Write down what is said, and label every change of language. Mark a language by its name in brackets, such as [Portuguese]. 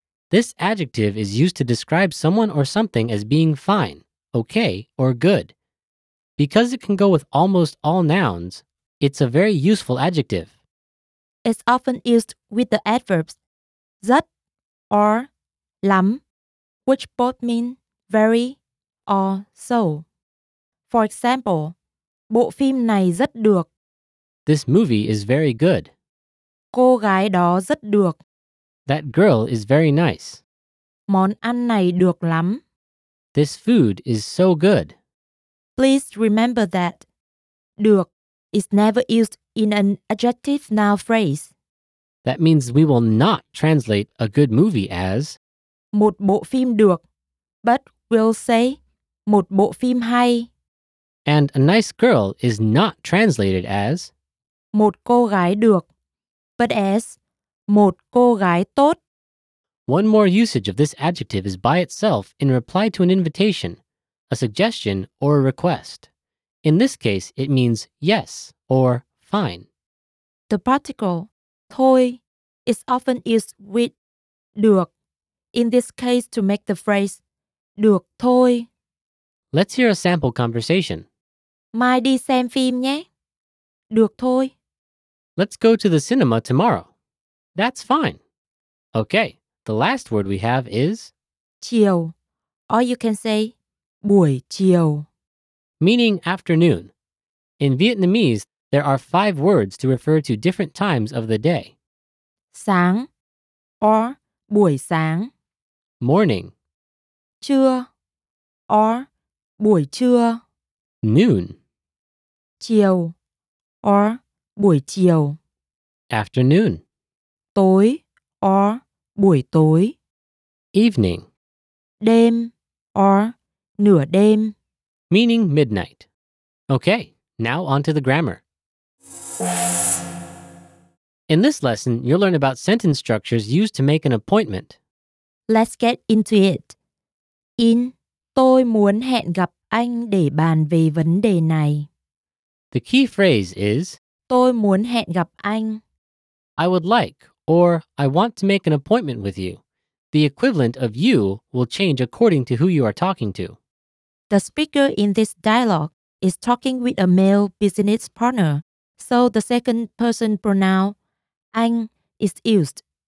[English] This adjective is used to describe someone or something as being fine, okay, or good. Because it can go with almost all nouns, it's a very useful adjective. It's often used with the adverbs rất or lắm, which both mean very or so. For example, [Vietnamese] bộ phim này rất được. [English] This movie is very good. [Vietnamese] Cô gái đó rất được. [English] That girl is very nice. [Vietnamese] Món ăn này được lắm. [English] This food is so good. Please remember that được is never used in an adjective noun phrase. That means we will not translate a good movie as [Vietnamese] một bộ phim được, [English] but we'll say [Vietnamese] một bộ phim hay. [English] And a nice girl is not translated as [Vietnamese] một cô gái được, [English] but as [Vietnamese] một cô gái tốt. [English] One more usage of this adjective is by itself in reply to an invitation, a suggestion, or a request. In this case, it means yes or fine. The particle thôi is often used with được in this case to make the phrase được thôi. Let's hear a sample conversation. [Vietnamese] Mai đi xem phim nhé. Được thôi. [English] Let's go to the cinema tomorrow. That's fine. Okay, the last word we have is chiều, or you can say buổi chiều, meaning afternoon. In Vietnamese, there are 5 words to refer to different times of the day. [Vietnamese] Sáng or buổi sáng. [English] Morning. [Vietnamese] Trưa or buổi trưa. [English] Noon. [Vietnamese] Chiều or buổi chiều. [English] Afternoon. [Vietnamese] Tối or buổi tối. [English] Evening. [Vietnamese] Đêm or nửa đêm. [English] Meaning midnight. Okay, now on to the grammar. In this lesson, you'll learn about sentence structures used to make an appointment. Let's get into it. [Vietnamese] In, tôi muốn hẹn gặp anh để bàn về vấn đề này. [English] The key phrase is [Vietnamese] tôi muốn hẹn gặp anh. [English] I would like, or I want to make an appointment with you. The equivalent of you will change according to who you are talking to. The speaker in this dialogue is talking with a male business partner, so the second person pronoun, anh, is used.